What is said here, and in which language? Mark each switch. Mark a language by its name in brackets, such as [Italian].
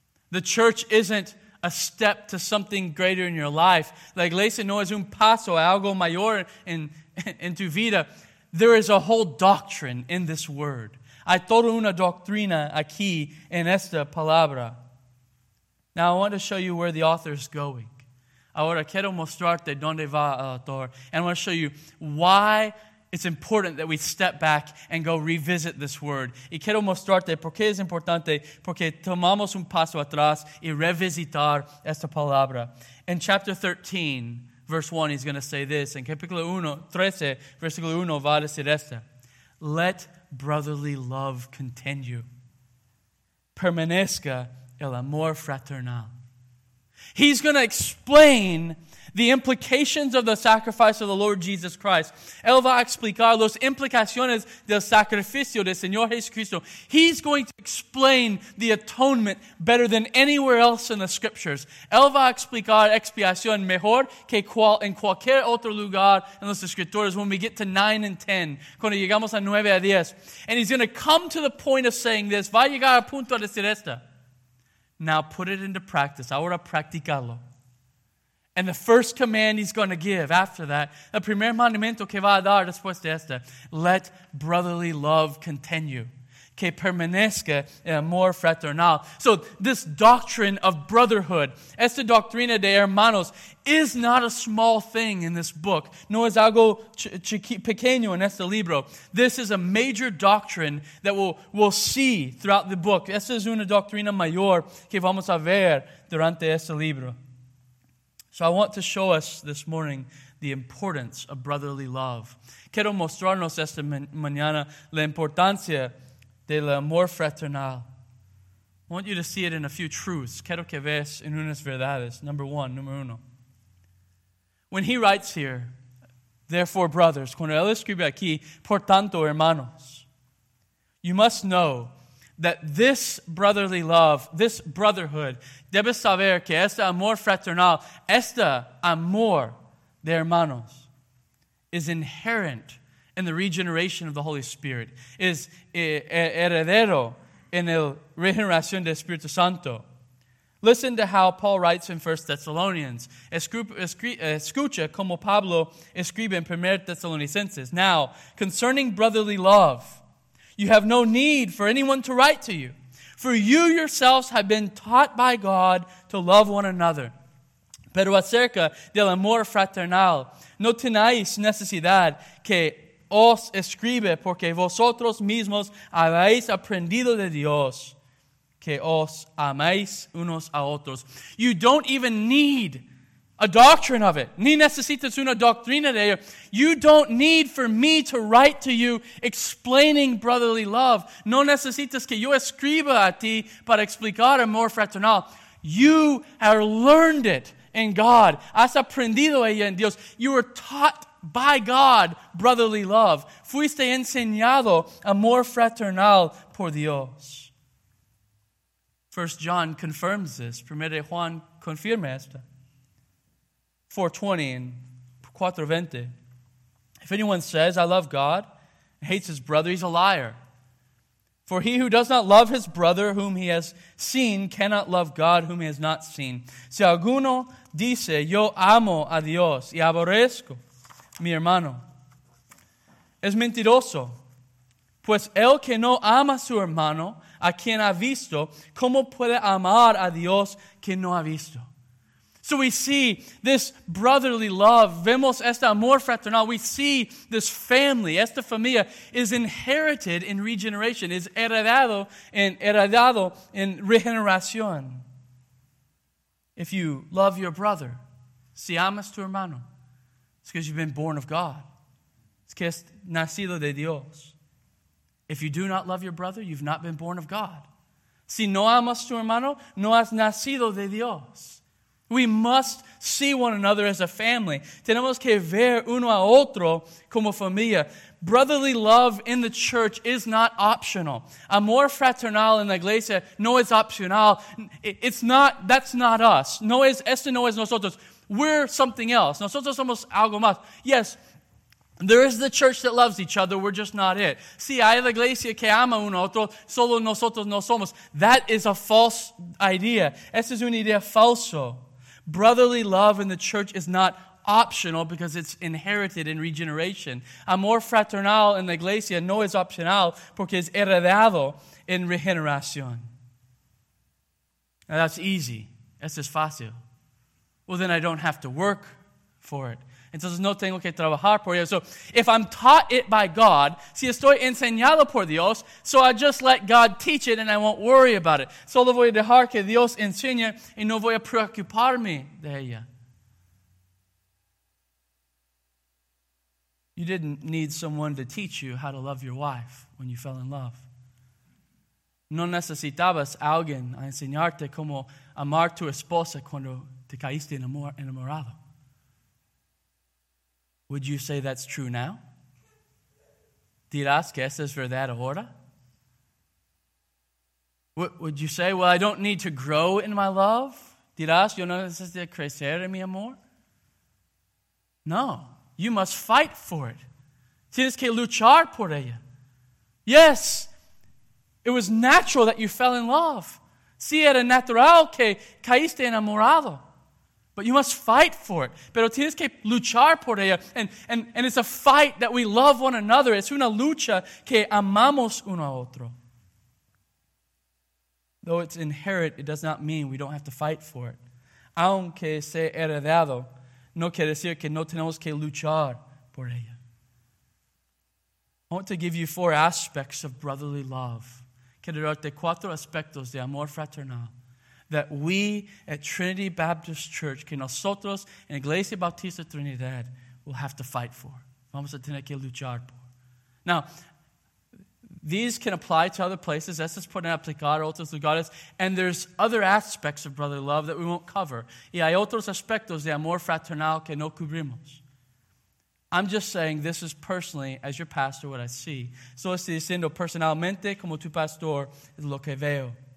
[English] The church isn't a step to something greater in your life. [Spanish] La iglesia no es un paso a algo mayor en tu vida. [English] There is a whole doctrine in this word. [Spanish] Hay toda una doctrina aquí en esta palabra. [English] Now I want to show you where the author is going. [Spanish] Ahora quiero mostrarte dónde va el autor. [English] And I want to show you why it's important that we step back and go revisit this word. [Spanish] Y quiero mostrarte por qué es importante, porque tomamos un paso atrás y revisitar esta palabra. [English] In chapter 13, verse 1, he's going to say this. [Spanish] In capítulo 13, versículo 1, va a decir esto. [English] Let brotherly love continue. [Spanish] Permanezca el amor fraternal. [English] He's going to explain the implications of the sacrifice of the Lord Jesus Christ. [Spanish] Él va a explicar las implicaciones del sacrificio del Señor Jesucristo. [English] He's going to explain the atonement better than anywhere else in the scriptures. [Spanish] Él va a explicar expiación mejor que en cualquier otro lugar en las escrituras [English] when we get to 9 and 10, [Spanish] cuando llegamos a 9 a 10. [English] And he's going to come to the point of saying this. [Spanish] Va a llegar a punto de decir esto. [English] Now put it into practice. [Spanish] Ahora practicalo. [English] And the first command he's going to give after that, [Spanish] el primer mandamiento que va a dar después de esta, [English] let brotherly love continue. [Spanish] Que permanezca el amor fraternal. [English] So this doctrine of brotherhood, [Spanish] esta doctrina de hermanos, [English] is not a small thing in this book. [Spanish] No es algo pequeño en este libro. [English] This is a major doctrine that we'll see throughout the book. [Spanish] Esta es una doctrina mayor que vamos a ver durante este libro. [English] So I want to show us this morning the importance of brotherly love. [Spanish] Quiero mostrarnos esta mañana la importancia de la amor fraternal. [English] I want you to see it in a few truths. [Spanish] Quiero que veas en unas verdades. [English] Number one, [Spanish] número uno. [English] When he writes here, therefore, brothers, [Spanish] cuando él escribe aquí, por tanto, hermanos, [English] you must know that this brotherly love, this brotherhood, [Spanish] debes saber que este amor fraternal, este amor de hermanos, [English] is inherent in the regeneration of the Holy Spirit, is [Spanish] heredero en el regeneración del Espíritu Santo. [English] Listen to how Paul writes in 1 Thessalonians. [Spanish] Escucha como Pablo escribe en 1 Thessalonicenses. [English] Now, concerning brotherly love, you have no need for anyone to write to you, for you yourselves have been taught by God to love one another. [Spanish] Pero acerca del amor fraternal, no tenéis necesidad que os escribe, porque vosotros mismos habéis aprendido de Dios que os amáis unos a otros. [English] You don't even need a doctrine of it. [Spanish] Ni necesitas una doctrina de ello. [English] You don't need for me to write to you explaining brotherly love. [Spanish] No necesitas que yo escriba a ti para explicar amor fraternal. [English] You have learned it [Spanish] en God. Has aprendido ella en Dios. [English] You were taught by God brotherly love. [Spanish] Fuiste enseñado amor fraternal por Dios. [English] 1 John confirms this. [Spanish] 1 Juan confirma esto. [English] 4:20 and 4:20. If anyone says, I love God, and hates his brother, he's a liar. For he who does not love his brother whom he has seen cannot love God whom he has not seen. [Spanish] Si alguno dice, yo amo a Dios y aborrezco mi hermano, es mentiroso. Pues el que no ama a su hermano, a quien ha visto, ¿cómo puede amar a Dios que no ha visto? [English] So we see this brotherly love. [Spanish] Vemos este amor fraternal. [English] We see this family. [Spanish] Esta familia [English] is inherited in regeneration. [Spanish] Is heredado en regeneración. [English] If you love your brother, [Spanish] si amas tu hermano, [English] it's because you've been born of God. [Spanish] Es que es nacido de Dios. [English] If you do not love your brother, you've not been born of God. [Spanish] Si no amas tu hermano, no has nacido de Dios. [English] We must see one another as a family. [Spanish] Tenemos que ver uno a otro como familia. [English] Brotherly love in the church is not optional. [Spanish] Amor fraternal en la iglesia no es opcional. [English] It's not, that's not us. [Spanish] No es, esto no es nosotros. [English] We're something else. Nosotros somos algo más. Yes, there is the church that loves each other. We're just not it. [Spanish] Sí, hay la iglesia que ama uno a otro. Solo nosotros no somos. [English] That is a false idea. [Spanish] Esta es una idea falsa. [English] Brotherly love in the church is not optional because it's inherited in regeneration. [Spanish] Amor fraternal en la iglesia no es opcional porque es heredado en regeneración. [English] Now that's easy. [Spanish] Eso es fácil. [English] Well, then I don't have to work for it. [Spanish] Entonces no tengo que trabajar por ello. [English] So if I'm taught it by God, [Spanish] si estoy enseñado por Dios, [English] so I just let God teach it and I won't worry about it. [Spanish] Solo voy a dejar que Dios enseñe y no voy a preocuparme de ella. [English] You didn't need someone to teach you how to love your wife when you fell in love. [Spanish] No necesitabas alguien a enseñarte cómo amar tu esposa cuando te caíste enamorado. [English] Would you say that's true now? [Spanish] ¿Dirás que eso es verdad ahora? [English] Would you say, well, I don't need to grow in my love? [Spanish] ¿Dirás yo no necesito crecer en mi amor? [English] No, you must fight for it. [Spanish] Tienes que luchar por ella. [English] Yes, it was natural that you fell in love. [Spanish] Sí, era natural que caíste enamorado. [English] But you must fight for it. [Spanish] Pero tienes que luchar por ella. [English] And it's a fight that we love one another. [Spanish] Es una lucha que amamos uno a otro. [English] Though it's inherent, it does not mean we don't have to fight for it. [Spanish] Aunque sea heredado, no quiere decir que no tenemos que luchar por ella. [English] I want to give you four aspects of brotherly love. [Spanish] Quiero darte cuatro aspectos de amor fraternal. [English] That we at Trinity Baptist Church, [Spanish] que nosotros en Iglesia Bautista Trinidad, [English] will have to fight for. [Spanish] Vamos a tener que luchar por. [English] Now, these can apply to other places. [Spanish] Estos pueden aplicar a otros lugares. [English] And there's other aspects of brotherly love that we won't cover. [Spanish] Y hay otros aspectos de amor fraternal que no cubrimos. [English] I'm just saying this is personally, as your pastor, what I see. [Spanish] So estoy diciendo personalmente como tu pastor es lo que veo.